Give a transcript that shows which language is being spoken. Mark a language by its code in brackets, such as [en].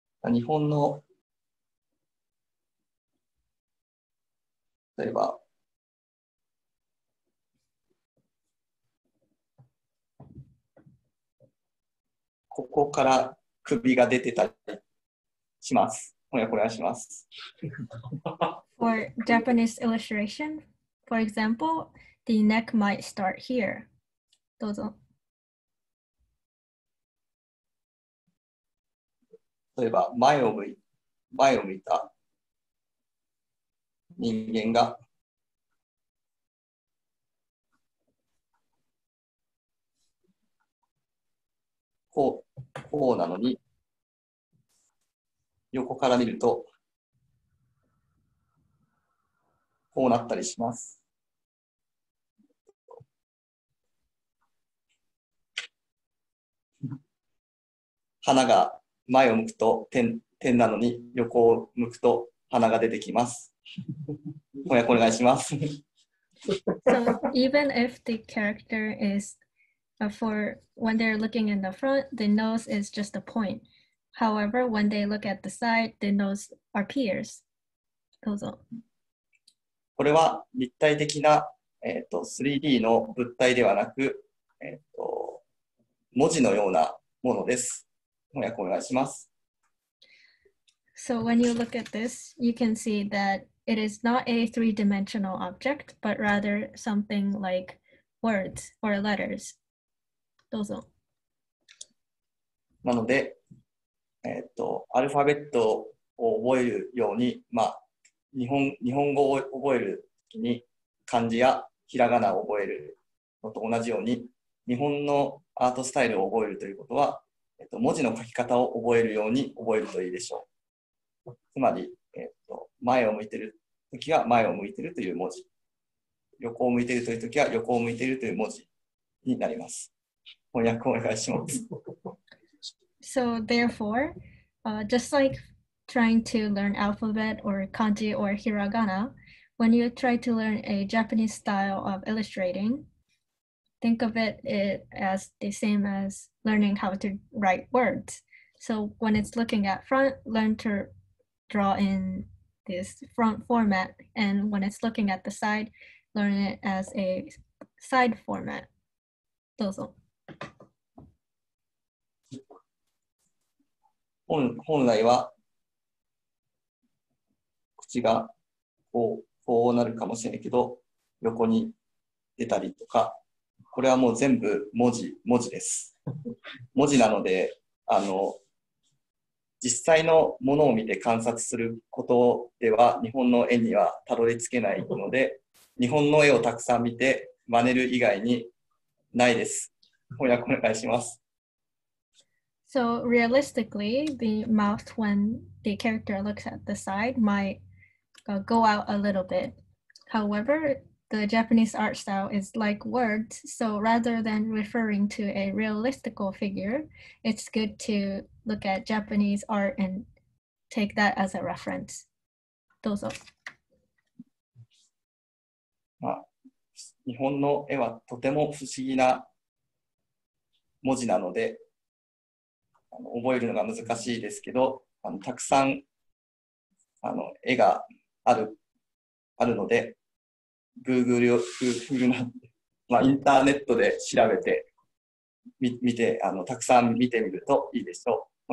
[ja] 日本の例えば ここから首が出てたりします。翻訳お願いします。 [en] For Japanese illustration, for example, the neck might start here. [ja] どうぞ。例えば前を向いた人間が こうなのに横から見るとこうなったりします。花が前を向くと点なのに横を向くと花が出てきます。翻訳お願いします。 [en] So even if the character is for when they're looking in the front, the nose is just a point. However, when they look at the side, the nose appears. [ja] どうぞ。これは立体的な3D の物体ではなく文字のようなものです。翻訳お願いします。 [en] So when you look at this, you can see that it is not a three-dimensional object, but rather something like words or letters. [ja] どうぞ。なので、アルファベットを覚えるように、まあ、日本語を覚えるときに漢字やひらがなを覚えるのと同じように、日本のアートスタイルを覚えるということは、文字の書き方を覚えるように覚えるといいでしょう。つまり、前を向いているときは前を向いているという文字、横を向いているときは横を向いているという文字になります。翻訳をお願いします。 [en] So therefore, just like trying to learn alphabet or kanji or hiragana, when you try to learn a Japanese style of illustrating, think of it as the same as learning how to write words. So when it's looking at front, learn to draw in this front format. And when it's looking at the side, learn it as a side format. [ja] どうぞ。本来は口がこうなるかもしれないけど横に出たりとか、これはもう全部文字です。文字なので、実際のものを見て観察することでは日本の絵にはたどり着けないので、日本の絵をたくさん見て真似る以外にないです。翻訳お願いします。 [en] So realistically, the mouth, when the character looks at the side, might go out a little bit. However, the Japanese art style is like words, so rather than referring to a realistical figure, it's good to look at Japanese art and take that as a reference. [ja] どうぞ。まあ、日本の絵はとても不思議な文字なので、覚えるのが難しいですけど、たくさん絵があるので、Google の、まあ、インターネットで調べて、見て、たくさん見てみるといいでしょう。